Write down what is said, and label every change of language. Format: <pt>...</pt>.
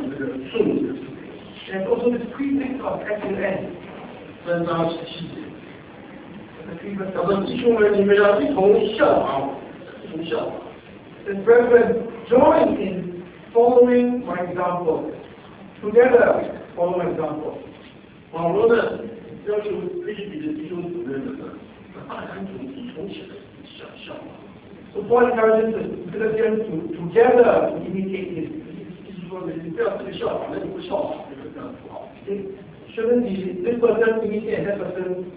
<en>And also this prefix of S-U-N.</en> <zh>三章十七节。他说：“弟兄们，你们要一同效法我，一同效法。”</zh> <en>The brethren join in following my example. Together, follow my example.</en> <zh>保罗呢，要求腓立比的弟兄姊妹们呢，大家一同起来效法。</zh> <en>So Paul encourages the Philippians to together to imitate him.</en> <zh>意思说你不要这个效法，那就不效法。</zh> <en>It shouldn't be this person imitate that person.</en>